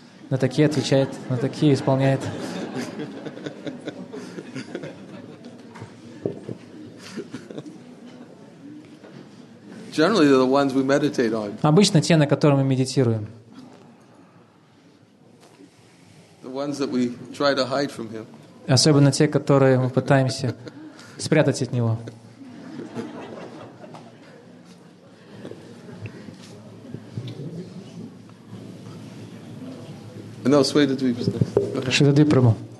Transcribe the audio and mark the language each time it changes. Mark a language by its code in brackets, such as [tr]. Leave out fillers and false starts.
[ru] На такие отвечает, на такие исполняет. [en] Generally, the ones we meditate on. [ru] Обычно те, на которые мы медитируем. [en] The ones that we try to hide from him. [ru] Особенно те, которые мы пытаемся спрятать от него. [en] No, Shweta Dweep is next. Shweta Dweep, Prabhu.